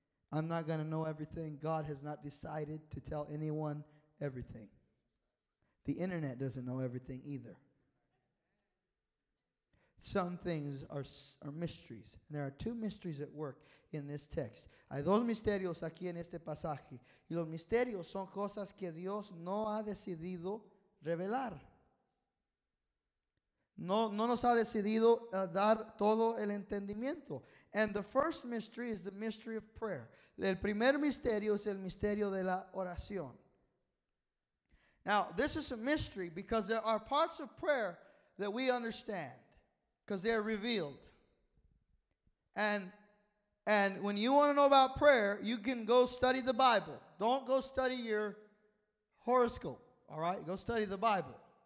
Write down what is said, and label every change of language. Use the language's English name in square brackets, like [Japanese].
[English] I'm not going to know everything. God has not decided to tell anyone everything. The internet doesn't know everything either. Some things are mysteries. And there are two mysteries at work in this text. [Spanish] Hay dos misterios aquí en este pasaje. Y los misterios son cosas que Dios no ha decidido revelar. No nos ha decidido dar todo el entendimiento. [English] And the first mystery is the mystery of prayer. [Spanish] El primer misterio es el misterio de la oración. [English] Now, this is a mystery because there are parts of prayer that we understand because they're revealed. And when you want to know about prayer, you can go study the Bible. Don't go study your horoscope, all right? Go study the Bible.